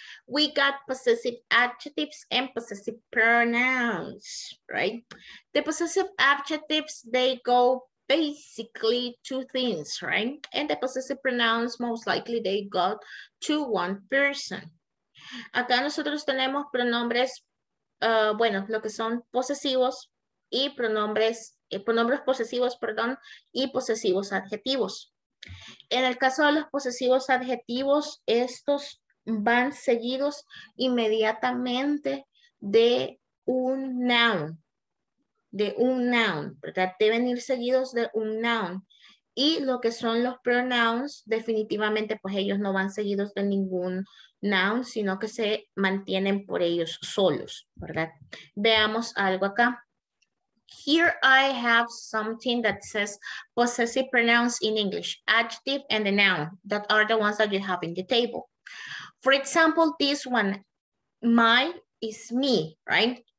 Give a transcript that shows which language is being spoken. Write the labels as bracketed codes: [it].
[en] We got possessive adjectives and possessive pronouns, right? The possessive adjectives, they go basically two things, right? And the possessive pronouns, most likely they go to one person. [es] Acá nosotros tenemos pronombres, bueno, lo que son posesivos y pronombres, pronombres posesivos, perdón, y posesivos adjetivos. En el caso de los posesivos adjetivos, estos van seguidos inmediatamente de un noun. De un noun, ¿verdad? Deben ir seguidos de un noun. Y lo que son los pronouns, definitivamente, pues ellos no van seguidos de ningún noun, sino que se mantienen por ellos solos, ¿verdad? Veamos algo acá. [en] Here I have something that says possessive pronouns in English, adjective and the noun, that are the ones that you have in the table. For example, this one, my is me, right?